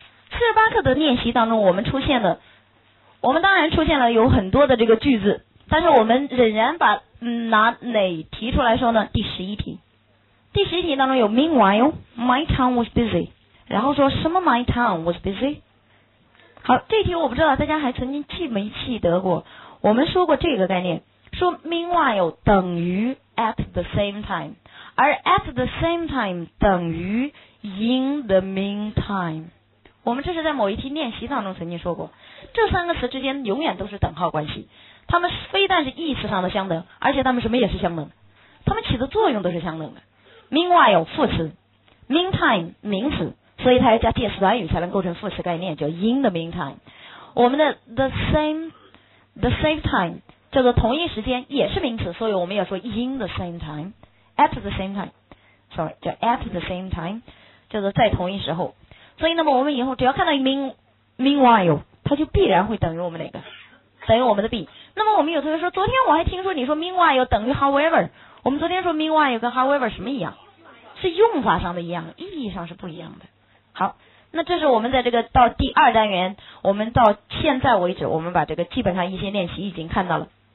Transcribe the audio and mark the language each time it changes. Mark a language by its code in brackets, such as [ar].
[zh] 四十八课的练习当中，我们当然出现了有很多的这个句子，但是我们仍然把拿哪题出来说呢？ [en] 第十一题当中有 Meanwhile, my tongue was busy. 然后说什么 my tongue was busy? [zh] 好，这题我不知道大家还曾经记没记得过，我们说过这个概念，说 Meanwhile 等于 at the same time, 而 at the same time 等于 in the meantime。我们这是在某一题练习当中曾经说过，这三个词之间永远都是等号关系，它们非但是意思上的相等，而且它们什么也是相等的，它们起的作用都是相等的。 Meanwhile 副词， Meantime 名词，所以它要加介词短语才能构成副词概念，叫 in the meantime。我们的 the same time 叫做同一时间，也是名词，所以我们要说 in the same time, at the same time, sorry, 叫 at the same time, 叫做在同一时候。所以那么我们以后只要看到 meanwhile, 它就必然会等于我们哪个，等于我们的 be。那么我们有同学说，昨天我还听说你说 meanwhile 等于 however, 我们昨天说 meanwhile 跟 however 什么一样，是用法上的一样，意义上是不一样的。好，那这是我们在这个到第二单元，我们到现在为止，我们把这个基本上一些练习已经看到了。